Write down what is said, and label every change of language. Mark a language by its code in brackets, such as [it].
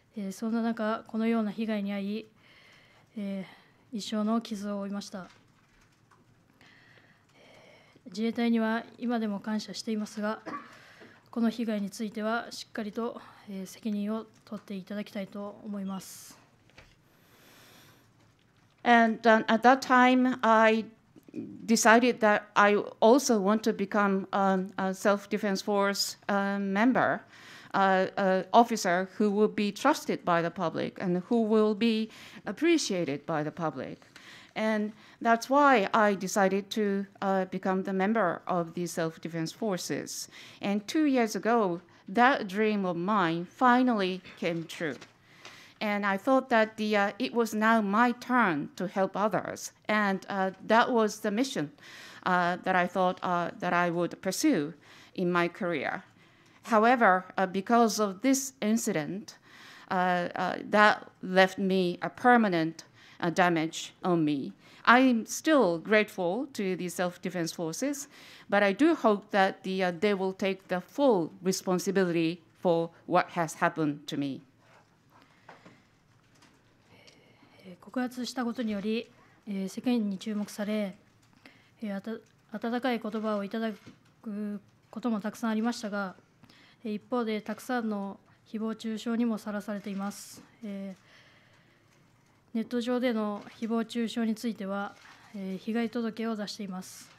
[ja] そんな中、このような被害に遭い、一生の傷を負いました。自衛隊には今でも感謝していますが、この被害についてはしっかりと責任を取っていただきたいと思います。 [en] And at that time, I decided that I also want to become a self-defense force member, officer who will be trusted by the public and who will be appreciated by the public. And that's why I decided to become the member of the self-defense forces. And 2 years ago, that dream of mine finally came true. And I thought that it was now my turn to help others. And that was the mission that I thought that I would pursue in my career. However, because of this incident, that left me a permanent damage on me. I'm still grateful to the self-defense forces, but I do hope that they will take the full responsibility for what has happened to me. [ja] 告発したことにより、世間に注目され、温かい言葉をいただくこともたくさんありましたが、一方でたくさんの誹謗中傷にもさらされています。ネット上での誹謗中傷については、被害届を出しています。